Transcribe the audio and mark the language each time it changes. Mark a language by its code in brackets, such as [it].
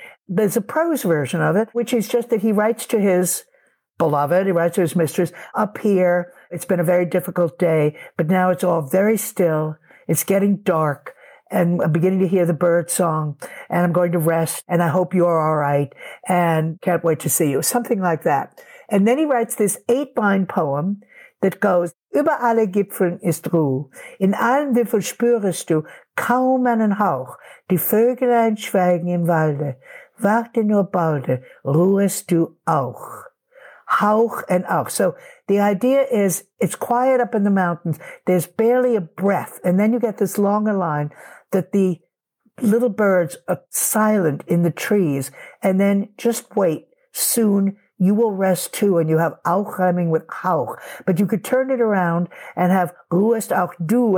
[en] There's a prose version of it, which is just that he writes to his beloved, he writes to his mistress, up here, it's been a very difficult day, but now it's all very still, it's getting dark, and I'm beginning to hear the bird song, and I'm going to rest, and I hope you're all right, and can't wait to see you, something like that. And then he writes this 8-line poem that goes, [de] Über alle Gipfeln ist Ruhe, in allen Wipfeln spürest du kaum einen Hauch, die Vögelein schweigen im Walde, warte nur balde, ruhest du auch. [en] Hauch and auch. So the idea is it's quiet up in the mountains. There's barely a breath. And then you get this longer line that the little birds are silent in the trees. And then just wait. Soon you will rest too. And you have auch rhyming with hauch. But you could turn it around and have [de] ruhest auch du.